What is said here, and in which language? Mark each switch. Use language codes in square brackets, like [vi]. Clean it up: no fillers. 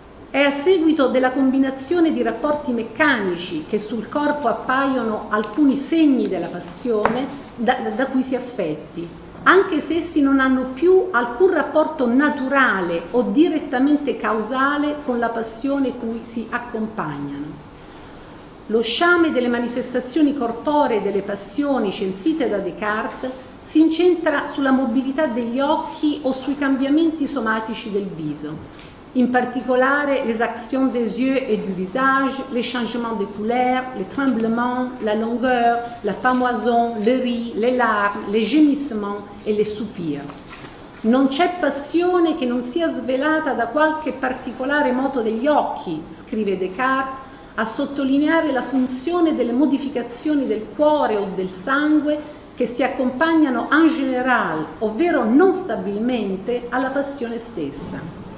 [it] È a seguito della combinazione di rapporti meccanici che sul corpo appaiono alcuni segni della passione da cui si affetti, anche se essi non hanno più alcun rapporto naturale o direttamente causale con la passione cui si accompagnano. Lo sciame delle manifestazioni corporee delle passioni censite da Descartes si incentra sulla mobilità degli occhi o sui cambiamenti somatici del viso. In particolare, [fr] les actions des yeux et du visage, les changements de couleur, les tremblements, la longueur, la pâmoison, le riz, les larmes, les gémissements et les soupirs. [it] Non c'è passione che non sia svelata da qualche particolare moto degli occhi, scrive Descartes, a sottolineare la funzione delle modificazioni del cuore o del sangue che si accompagnano [fr] en général, [it] ovvero non stabilmente, alla passione stessa.